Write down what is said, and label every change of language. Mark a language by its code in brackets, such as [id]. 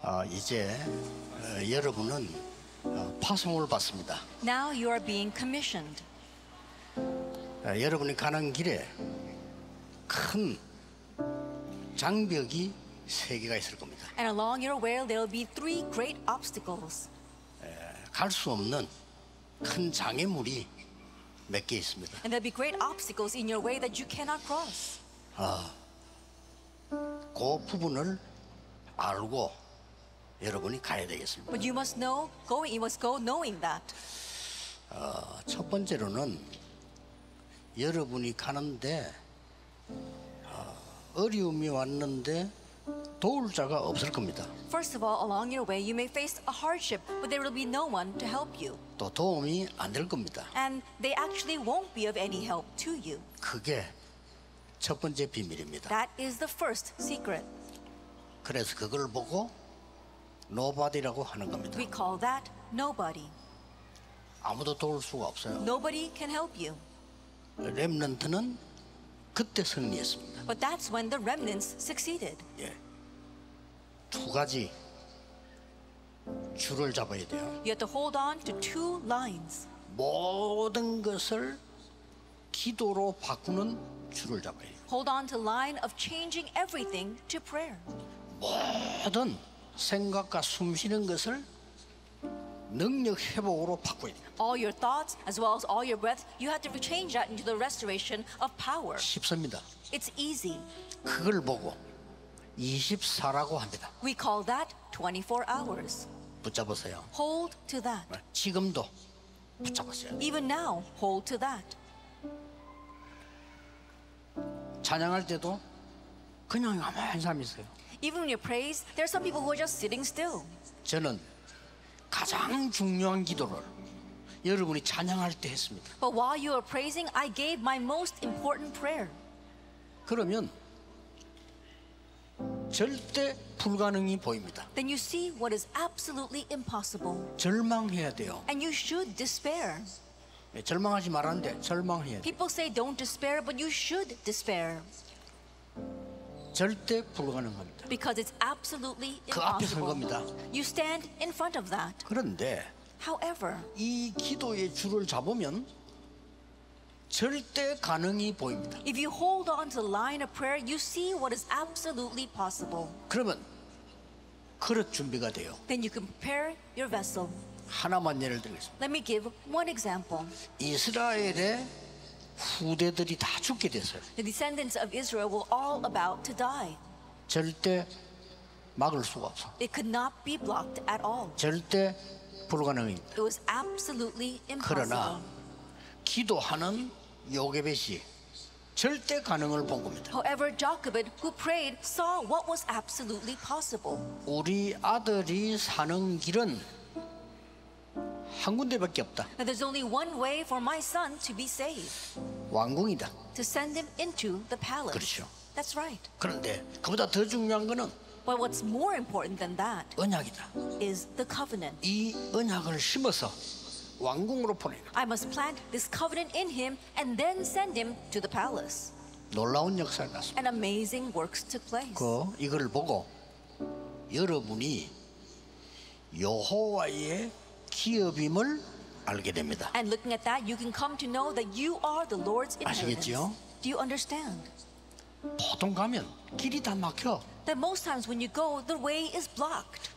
[ko] 이제 여러분은 파송을 받습니다. [en] Now you are being commissioned. [ko] 여러분이 가는 길에 큰 장벽이 세 개가 있을 겁니다. [en] And along your way there will be three great obstacles. [ko] 갈 수 없는 큰 장애물이 몇 개 있습니다. [en] And there will be great obstacles in your way that you cannot cross. [ko] 그 부분을 알고 여러분이 가야 되겠습니다. [en] But you must know, going, you must go knowing that. [ko] 첫 번째로는 여러분이 가는데 어려움이 왔는데 도울 자가 없을 겁니다. [en] First of all, along your way, you may face a hardship, but there will be no one to help you. [ko] 또 도움이 안 될 겁니다. [en] And they actually won't be of any help to you. [ko] 그게 첫 번째 비밀입니다. [en] That is the first secret. [ko] 그래서 그걸 보고 nobody라고 하는 겁니다. [en] We call that nobody. [ko] 아무도 도울 수가 없어요. [en] Nobody can help you. [ko] 렘넌트는 그때 승리했습니다. [en] But that's when the remnants succeeded. [ko] 예. 두 가지 줄을 잡아야 돼요. [en] You have to hold on to two lines. [ko] 모든 것을 기도로 바꾸는 줄을 잡아야 돼요. [en] Hold on to line of changing everything to prayer. [ko] 모든 생각과 숨 쉬는 것을 능력 회복으로 바꿔야 돼요. [en] All your thoughts as well as all your breath, you have to change that into the restoration of power. [ko] 쉽습니다. [en] It's easy. [ko] 그걸 보고 24라고 합니다. [en] We call that 24 hours. [ko] 붙잡으세요. [en] Hold to that. [ko] 지금도 붙잡으세요. [en] Even now, hold to that. [ko] 찬양할 때도 그냥 가만히 사람 있어요. [en] Even when you praise, there are some people who are just sitting still. [ko] 저는 가장 중요한 기도를 여러분이 찬양할 때 했습니다. [en] But while you are praising, I gave my most important prayer. [ko] 그러면 절대 불가능이 보입니다. [en] Then you see what is absolutely impossible. [ko] 절망해야 돼요. [en] And you should despair. [ko] 네, 절망하지 말았는데 절망해야 돼요. [en] People say don't despair, but you should despair. [ko] 절대 불가능합니다. [en] Because it's absolutely impossible. [ko] 그 앞에 설 겁니다. [en] You stand in front of that. [ko] 그런데 [en] However, [ko] 이 기도의 줄을 잡으면 절대 가능이 보입니다. [en] If you hold on to the line of prayer, you see what is absolutely possible. [ko] 그러면 그릇 준비가 돼요. [en] Then you can prepare your vessel. [ko] 하나만 예를 들겠습니다. [en] Let me give one example. [ko] 이스라엘의 후대들이 다 죽게 됐어요. [en] The descendants of Israel were all about to die. [ko] 절대 막을 수가 없어. [en] It could not be blocked at all. [ko] 절대 불가능입니다. [en] It was absolutely impossible. [ko] 그러나 기도하는 요게벳이 절대 가능을 본 겁니다. [en] However, Jochebed, who prayed, saw what was absolutely possible. [ko] 우리 아들이 사는 길은 한 군데밖에 없다. [en] Now, there's only one way for my son to be saved. [ko] 왕궁이다. [en] To send him into the palace. [ko] 그렇죠. [en] That's right. [ko] 그런데 그보다 더 중요한 것은 [en] But what's more important than that [ko] 은약이다. [en] is the covenant. [ko] 이 은약을 심어서 왕궁으로 보내라. [en] I must plant this covenant in him and then send him to the palace. [ko] 놀라운 역사가 났습니다. [en] And amazing works took place. [ko] 그 이걸 보고 여러분이 여호와의 기업임을 알게 됩니다. [en] And looking at that, you can come to know that you are the Lord's inheritance. [ko] 아시겠지요? [en] Do you understand? [ko] 보통 가면 길이 다 막혀. [en] That most times when you go, the way is blocked.